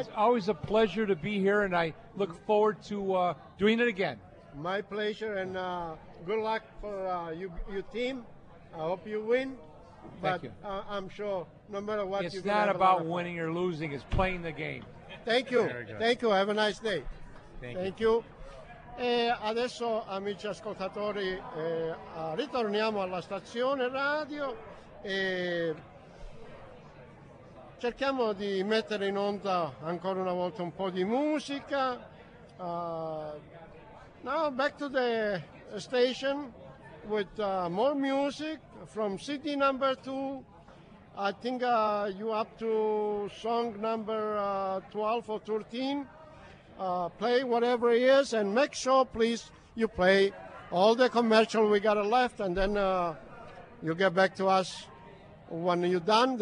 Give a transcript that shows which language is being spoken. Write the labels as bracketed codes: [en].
[en] It's always a pleasure to be here, and I look forward to doing it again. My pleasure, and good luck for your team. I hope you win. Thank but you. I'm sure no matter what it's not about winning or losing, it's playing the game. Thank you. Thank you. Have a nice day. Thank you. [it] E adesso, amici ascoltatori, ritorniamo alla stazione radio e cerchiamo di mettere in onda ancora una volta un po' di musica. [en] Now back to the station with more music from CD number 2. I think you're up to song number 12 or 13. Play whatever it is and make sure, please, you play all the commercial we got left and then you get back to us when you're done.